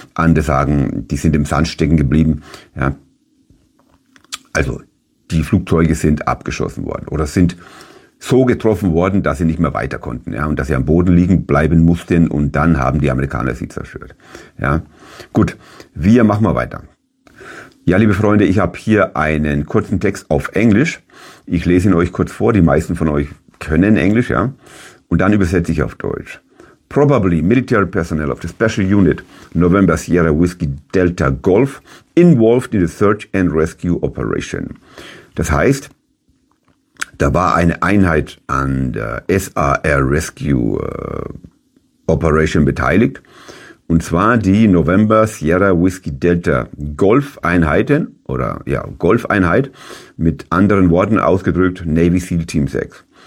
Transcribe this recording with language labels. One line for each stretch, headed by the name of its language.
German: Andere sagen, die sind im Sand stecken geblieben. Ja. Also die Flugzeuge sind abgeschossen worden oder sind so getroffen worden, dass sie nicht mehr weiter konnten, ja, und dass sie am Boden liegen bleiben mussten und dann haben die Amerikaner sie zerstört. Ja. Gut, wir machen mal weiter. Ja, liebe Freunde, ich habe hier einen kurzen Text auf Englisch. Ich lese ihn euch kurz vor. Die meisten von euch können Englisch, ja? Und dann übersetze ich auf Deutsch.
English: Probably military personnel of the Special Unit November Sierra Whiskey Delta Golf involved in the search and rescue operation.
German: Das heißt, da war eine Einheit an der SAR Rescue Operation beteiligt. Und zwar die November Sierra Whiskey Delta Golfeinheiten oder ja, Golfeinheit, mit anderen Worten ausgedrückt Navy SEAL Team 6.